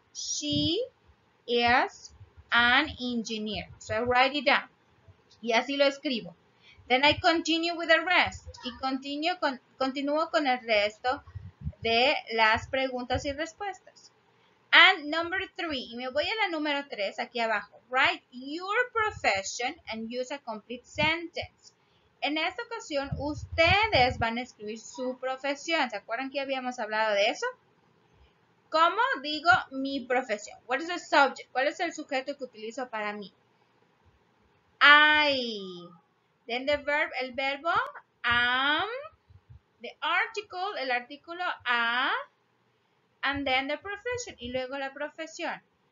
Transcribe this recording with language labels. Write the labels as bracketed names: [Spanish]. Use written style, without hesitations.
[English] She is an engineer. So I write it down. [Spanish] Y así lo escribo. [English] Then I continue with the rest. [Spanish] Y continúo con el resto de las preguntas y respuestas. [English] And number three. [Spanish] Y me voy a la número tres aquí abajo. [English] Write your profession and use a complete sentence. [Spanish] En esta ocasión, ustedes van a escribir su profesión. ¿Se acuerdan que habíamos hablado de eso? ¿Cómo digo mi profesión? [English] What is the subject? [Spanish] ¿Cuál es el sujeto que utilizo para mí? [English] I... Then the verb, [Spanish] el verbo [English] am, the article, [Spanish] el artículo [English] a, and then the profession, [Spanish] y luego la profesión.